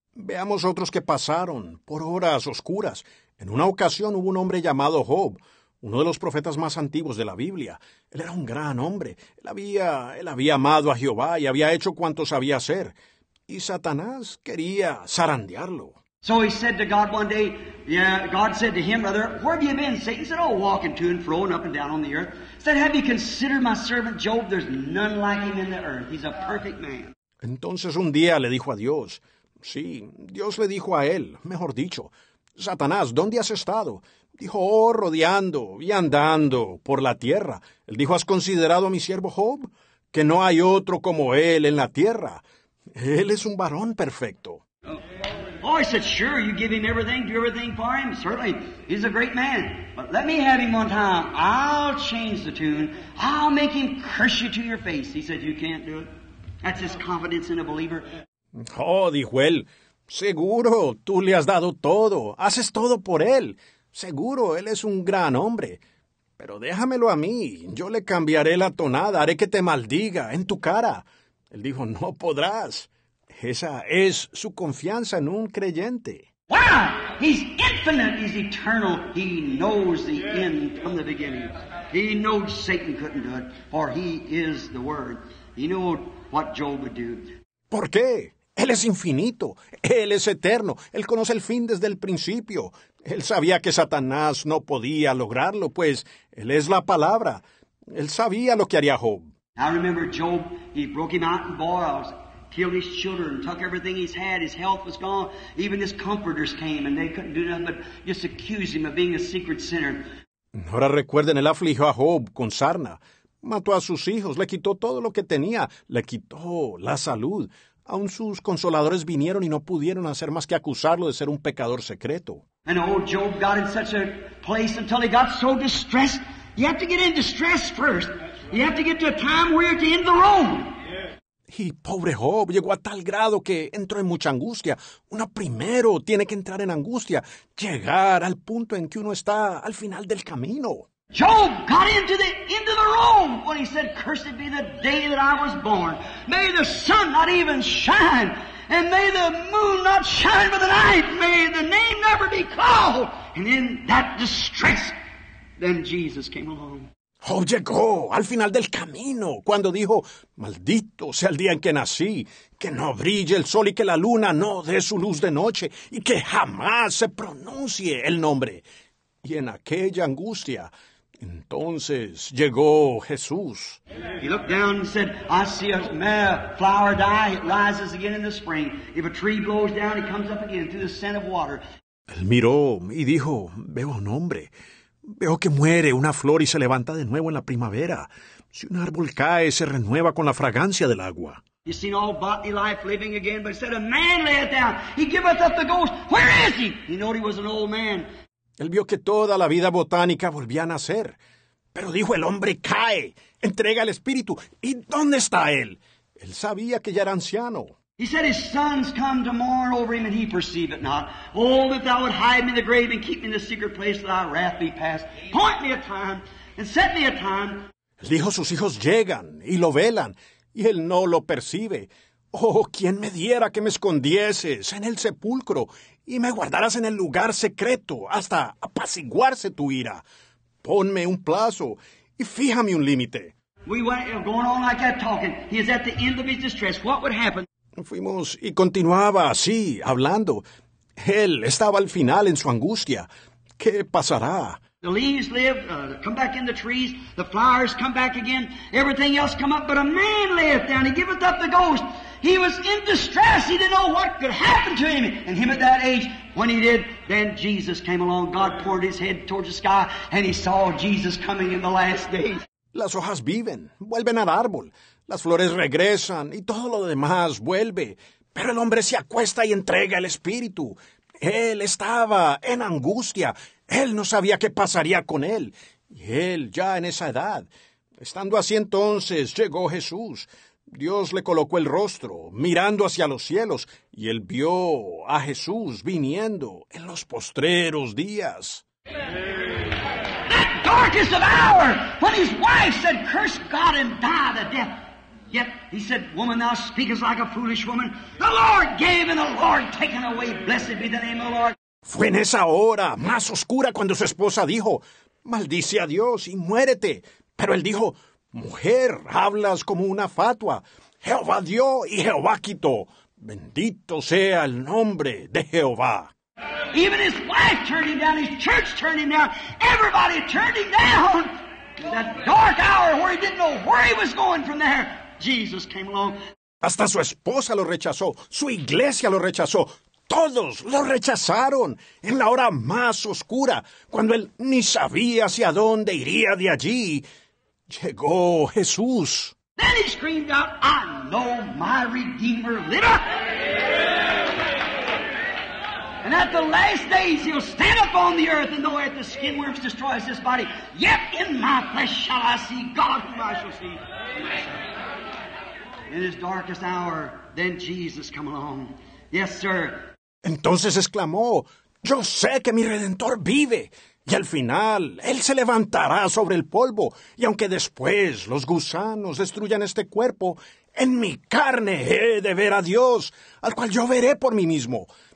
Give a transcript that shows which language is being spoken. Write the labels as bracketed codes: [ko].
[es] Veamos otros que pasaron por horas oscuras. En una ocasión hubo un hombre llamado Job, uno de los profetas más antiguos de la Biblia. Él era un gran hombre. Él había amado a Jehová y había hecho cuanto sabía hacer. Y Satanás quería zarandearlo. [en] So he said to God one day, yeah, God said to him, brother, where have you been, Satan? He said, oh, walking to and fro and up and down on the earth. He said, have you considered my servant Job? There's none like him in the earth. He's a perfect man. [es] Entonces un día le dijo a Dios, sí, Dios le dijo a él, mejor dicho, Satanás, ¿dónde has estado? Dijo, oh, rodeando y andando por la tierra. Él dijo, ¿has considerado a mi siervo Job? Que no hay otro como él en la tierra. Él es un varón perfecto. [en] Oh, he said, sure, you give him everything, do everything for him. Certainly, he's a great man. But let me have him one time. I'll change the tune. I'll make him curse you to your face. He said, you can't do it. That's his confidence in a believer. [es] Oh, dijo él, seguro, tú le has dado todo. Haces todo por él. Seguro, él es un gran hombre. Pero déjamelo a mí. Yo le cambiaré la tonada. Haré que te maldiga en tu cara. Él dijo, no podrás. Esa es su confianza en un creyente. [en] Wow, he's infinite, he's eternal. He knows the end from the beginning. He knows Satan couldn't do it, for he is the Word. He knew what Job would do. [es] ¿Por qué? Él es infinito. Él es eterno. Él conoce el fin desde el principio. Él sabía que Satanás no podía lograrlo, pues él es la palabra. Él sabía lo que haría Job. [en] I remember Job, he broke him out in boils, killed his children, took everything he's had, his health was gone. Even his comforters came and they couldn't do nothing but just accuse him of being a secret sinner. [es] Ahora recuerden, él afligió a Job con sarna. Mató a sus hijos, le quitó todo lo que tenía, le quitó la salud. Aún sus consoladores vinieron y no pudieron hacer más que acusarlo de ser un pecador secreto. [en] And old Job got in such a place until he got so distressed. You have to get in distress first. You have to get to a time where you're at the end of the road. [es] Y pobre Job llegó a tal grado que entró en mucha angustia. Uno primero tiene que entrar en angustia, llegar al punto en que uno está al final del camino. [en] Job got into the end of the road when he said, cursed be the day that I was born. May the sun not even shine, and may the moon not shine by the night. May the name never be called. And in that distress, then Jesus came along. [es] Job llegó al final del camino cuando dijo, maldito sea el día en que nací, que no brille el sol y que la luna no dé su luz de noche, y que jamás se pronuncie el nombre. Y en aquella angustia, entonces llegó Jesús. [en] He looked down and said, I see a flower die, it rises again in the spring. If a tree blows down, it comes up again through the scent of water. [es] Él miró y dijo, veo un hombre. Veo que muere una flor y se levanta de nuevo en la primavera. Si un árbol cae, se renueva con la fragancia del agua. [en] He seen all bodily life living again, but he said, a man layeth down. He giveth up the ghost. Where is he? He knew he was an old man. [es] Él vio que toda la vida botánica volvía a nacer. Pero dijo, el hombre cae, entrega el espíritu. ¿Y dónde está él? Él sabía que ya era anciano. [en] He said, his sons come to mourn over him, and he perceive it not. Oh, that thou would hide me in the grave and keep me in the secret place, that thy wrath be past. Point me a time, and set me a time. [es] Él dijo, sus hijos llegan y lo velan, y él no lo percibe. Oh, quien me diera que me escondieses en el sepulcro y me guardaras en el lugar secreto hasta apaciguarse tu ira. Ponme un plazo y fíjame un límite. [en] We went going on like that talking. He is at the end of his distress. What would happen? [es] Fuimos y continuaba así, hablando. Él estaba al final en su angustia. ¿Qué pasará? [en] The leaves live, come back in the trees, the flowers come back again, everything else come up, but a man lieth down, he giveth up the ghost. He was in distress, he didn't know what could happen to him, and him at that age, when he did, then Jesus came along, God poured his head towards the sky, and he saw Jesus coming in the last days. [es] Las hojas viven, vuelven al árbol, las flores regresan, y todo lo demás vuelve, pero el hombre se acuesta y entrega el espíritu. Él estaba en angustia. Él no sabía qué pasaría con él. Y él, ya en esa edad, estando así entonces, llegó Jesús. Dios le colocó el rostro, mirando hacia los cielos, y él vio a Jesús viniendo en los postreros días. [en] That darkest of hour, when his wife said, curse God and die the death. Yet he said, woman, thou speakest like a foolish woman. The Lord gave and the Lord taken away. Blessed be the name of the Lord. [es] Fue en esa hora más oscura cuando su esposa dijo, maldice a Dios y muérete. Pero él dijo, mujer, hablas como una fatua. Jehová dio y Jehová quitó. Bendito sea el nombre de Jehová. [en] Even his wife turned him down, his church turned him down, everybody turned him down. In that dark hour where he didn't know where he was going from there, Jesus came along. [es] Hasta su esposa lo rechazó, su iglesia lo rechazó. Todos lo rechazaron en la hora más oscura, cuando él ni sabía hacia dónde iría de allí. Llegó Jesús. [en] Then he screamed out, I know my Redeemer liveth. And at the last days he'll stand up on the earth, and though at the skin worms destroys this body, yet in my flesh shall I see God whom I shall see. In his darkest hour, then Jesus come along. Yes, sir. [es] Entonces exclamó, yo sé que mi Redentor vive, y al final, Él se levantará sobre el polvo, y aunque después los gusanos destruyan este cuerpo, en mi carne he de ver a Dios, al cual yo veré por mí mismo.